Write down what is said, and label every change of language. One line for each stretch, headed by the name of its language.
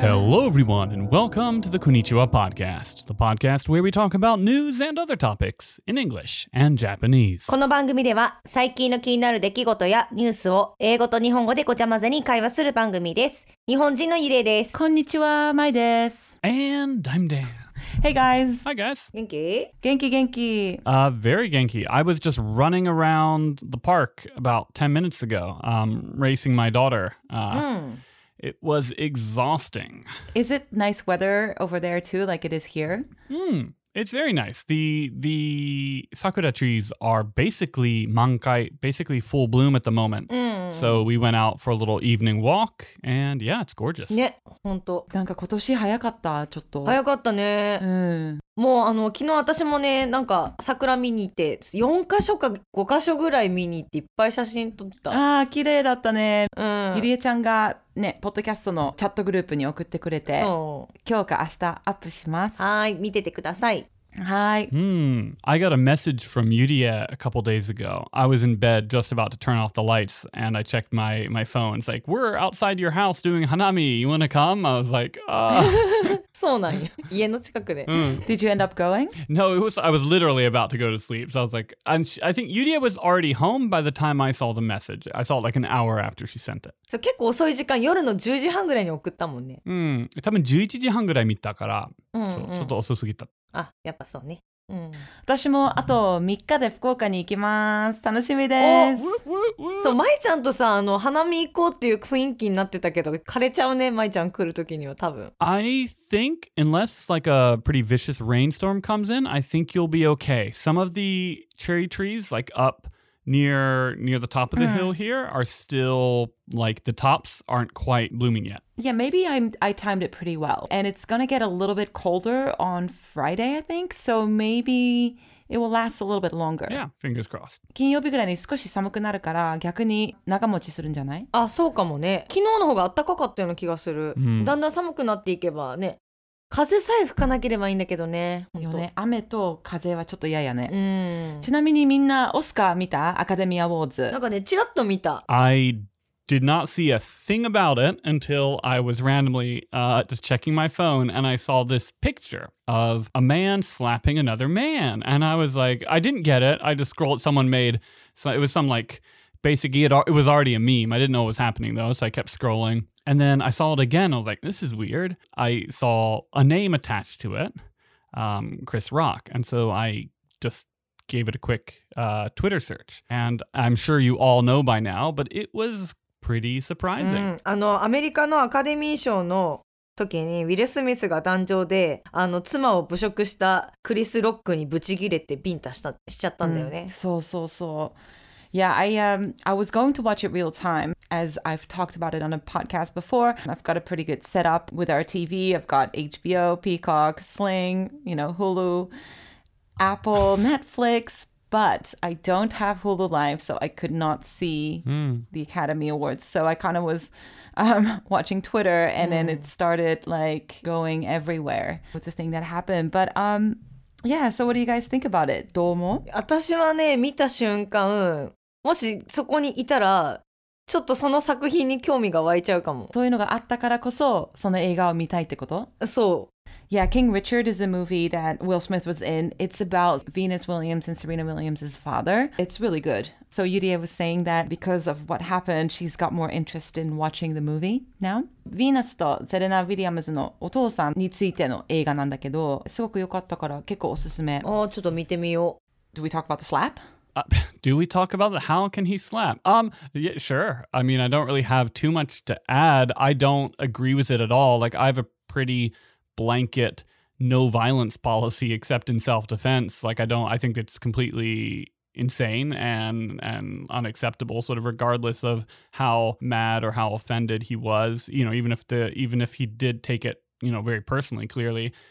English: Hello everyone and welcome to the Konnichiwa Podcast, the podcast where we talk about news and other topics in English and Japanese.
Japanese: この番組では最近の気になる出来事やニュースを英語と日本語でごちゃ混ぜに会話する番組です。日本人のゆれです。こんにちは、まいです。
English: And I'm Dan. Hey guys. Hi guys.
Japanese: Genki? Genki, genki.
English: Very genki. I was just running around the park about 10 minutes ago, racing my daughter. It was exhausting. Is it nice weather over there too, like it is here? It's very nice. The sakura trees are basically mankai, basically full bloom at the moment. So we went out for a little evening walk, and yeah, it's gorgeous.
Japanese: ね、本当。なんか今年早かった、ちょっと。早かったね。うん。もうあの昨日私もね、なんか桜見に行って、4箇所か5箇所ぐらい見に行っていっぱい写真撮った。ああ、綺麗だったね。うん。ゆりえちゃんがね、ポッドキャストのチャットグループに送ってくれて、そう。今日か明日アップします。はい、見ててください。はい。
English: I got a message from Yuria a couple days ago. I was in bed just about to turn off the lights and I checked my phone. It's like, we're outside your house doing hanami. You want to come? I was like,
Japanese: そうなんや。家の近くで。
English: Did you end up going? No, I was literally about to go to sleep. So I was like, I think Yuria was already home by the time I saw the message. I saw it like an hour after she sent it.
Japanese: そう、結構遅い時間、夜の10時半ぐらいに送ったもんね。多分11時半ぐらい見たから、うんうん、ちょっと遅すぎた。あ、やっぱそうね。私もあと3日で福岡に行きます。楽しみです。そう、舞ちゃんとさ、あの、花見行こうっていう雰囲気になってたけど、枯れちゃうね、舞ちゃん来るときには多分。
English: I think unless like a pretty vicious rainstorm comes in, I think you'll be okay. Some of the cherry trees like up near the top of the hill here are still like the tops aren't quite blooming yet. Yeah, maybe I timed it pretty well. And it's going to get a little bit colder on Friday, I think. So maybe it will last a little bit longer. Yeah, fingers crossed.
Japanese: 金曜日ぐらいに少し寒くなるから逆に長持ちするんじゃない? あ、そうかもね。昨日の方が暖かかったような気がする。だんだん寒くなっていけばね。風さえ吹かなければいいんだけどね。よね。雨と風はちょっと嫌やね。うん。ちなみにみんなオスカー見た?アカデミーアウォーズ。なんかね、ちらっと見た。
English: I did not see a thing about it until I was randomly just checking my phone and I saw this picture of a man slapping another man. And I was like, I didn't get it. I just scrolled, someone made, so it was some like, basically it was already a meme. I didn't know what was happening though, so I kept scrolling. And then I saw it again. I was like, this is weird. I saw a name attached to it, Chris Rock. And so I just... gave it a quick Twitter search. And I'm sure you all know by now, but it was pretty surprising.
Japanese: あの、アメリカのアカデミー賞の時にウィル・スミスが壇上で、あの、妻を侮辱したクリス・ロックにブチギレてビンタした、しちゃったんだよね。そうそうそう。
English: Yeah, I was going to watch it real time as I've talked about it on a podcast before. I've got a pretty good setup with our TV. I've got HBO, Peacock, Sling, you know, Hulu. Apple, Netflix, but I don't have Hulu Live, so I could not see the Academy Awards. So I kind of was watching Twitter, and then it started like going everywhere with the thing that happened. But yeah, so what do you guys think about it?
Japanese: どうも? 私はね、見た瞬間、もしそこにいたら、ちょっとその作品に興味が湧いちゃうかも。そういうのがあったからこそ、その映画を見たいってこと? そう。
English: Yeah, King Richard is a movie that Will Smith was in. It's about Venus Williams and Serena Williams' father. It's really good. So Yuria was saying that because of what happened, she's got more interest in watching the movie now.
Japanese: Venus とセレナ・ウィリアムズのお父さんについての映画なんだけど、すごく良かったから結構おすすめ。ちょっと見てみよう。
English: Do we talk about the slap? Do we talk about the how can he slap? Yeah, sure. I mean, I don't really have too much to add. I don't agree with it at all. Like, I have a pretty... blanket no violence policy except in self-defense. Like, I think it's completely insane and unacceptable, sort of regardless of how mad or how offended he was, you know, even if he did take it, you know, very personally, clearly.